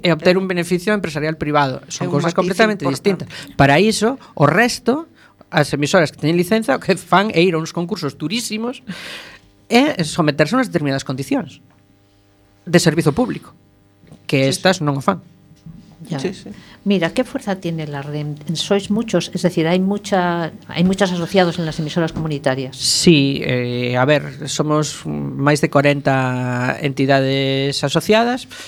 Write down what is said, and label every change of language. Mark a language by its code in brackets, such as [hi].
[gl] e obter un beneficio empresarial privado. Son cousas completamente distintas. Para iso, o resto, as emisoras que teñen licencia, o que fan é ir a uns concursos durísimos e someterse a unhas determinadas condicións de servizo público, que estas non o fan. [es] Mira, ¿qué fuerza tiene la REM? Sois muchos, es decir, hay muchos asociados en las emisoras comunitarias. [gl] Sí, a ver, somos máis de 40 entidades asociadas.